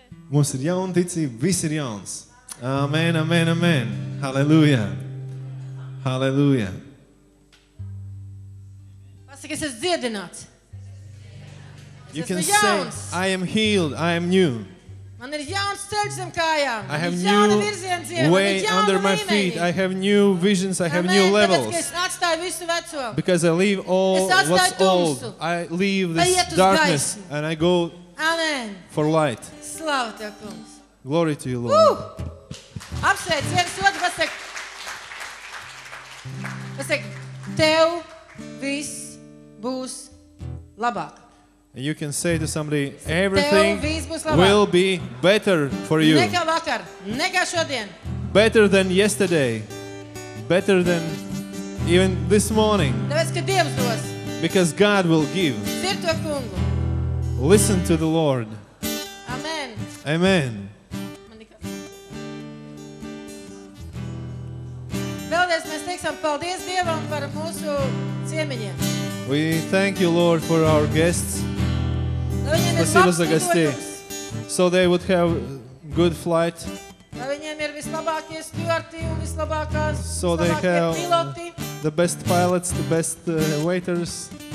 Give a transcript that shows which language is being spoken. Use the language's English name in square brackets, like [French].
[Latvian] Mums ir jauna ticība, viss ir jauns. Amen, amen, amen. Halleluja. Halleluja. Pasaka, es esmu dziedināts. [English] You can say, I am healed, I am new. [Latvian] Man ir jauns ceļš zem kājām. [English] I have new way under my feet. I have new visions, I have new levels. Because I leave all what's old. I leave this darkness and I go for light. [Latvian] Slava Tev, Kungs. [English] Glory to you, Lord. [Latvian] Apsveic viens otru, pasaka. Pasaka, Tev viss būs labāk. [English] And you can say to somebody, everything will be better for you. [Latvian] Nekā vakar, nekā šodien. [English] Better than yesterday. Better than even this morning. [Latvian] Tāpēc, ka Dievs dos. [English] Because God will give. [Latvian] Dzir to Kungu. [English] Listen to the Lord. Amen. Amen. [Latvian] Vēlreiz mēs teiksim paldies Dievam par mūsu ciemiņiem. [English] We thank you, Lord, for our guests. [Russian] Спасибо за гости. [English] So they would have good flight. So they have the best pilots, the best waiters.